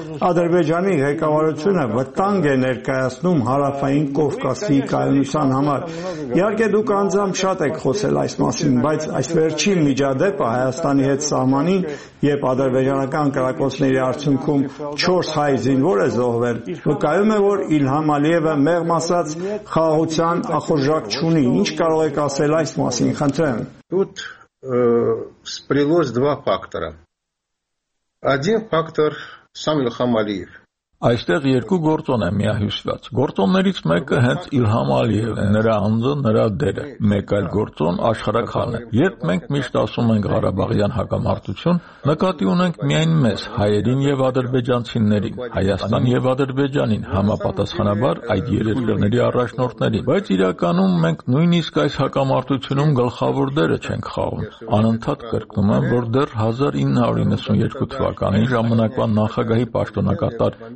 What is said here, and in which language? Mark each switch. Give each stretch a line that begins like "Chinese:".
Armenian: Ադրբեջանի ղեկավարությունը վտանգ է ներկայացնում հարավային Կովկասի կայունության համար։ Իհարկե դուք անձամբ շատ եք խոսել այս մասին, բայց այս վերջին միջադեպը Հայաստանի հետ սահմանին, երբ ադրբեջանական կրակոցների արդյունքում 4 հայ զինվոր է զոհվել, վկայում է, որ Իլհամ Ալիևը մեղմ ասած խաղաղության ախորժակ չունի։ Ինչ կարող եք ասել այս մասին, խնդրեմ։
Russian: Тут сплелось два фактора. Один фактор сам Իլհամ Ալիև.
Armenian: Այստեղ երկու գործոն է միահյուսված։ Գործոններից մեկը հենց Իլհամ Ալիև, նրա անձը, նրա դերը։ Մեկ այլ գործոն աշխարհականն է։ Երբ մենք միշտ ասում ենք Ղարաբաղյան հակամարտություն, նկատի ունենք միայն մեզ, հայերին եւ ադրբեջանցիներին, Հայաստան եւ Ադրբեջանին, համապատասխանաբար այդ երկրների առաջնորդներին, բայց իրականում մենք նույնիսկ այս հակամարտությունում գլխավոր դերը չենք խաղում։ Անընդհատ կրկնում եմ, որ դեռ 1992 թվականի ժամանակվա նախագահի պաշտոնակատար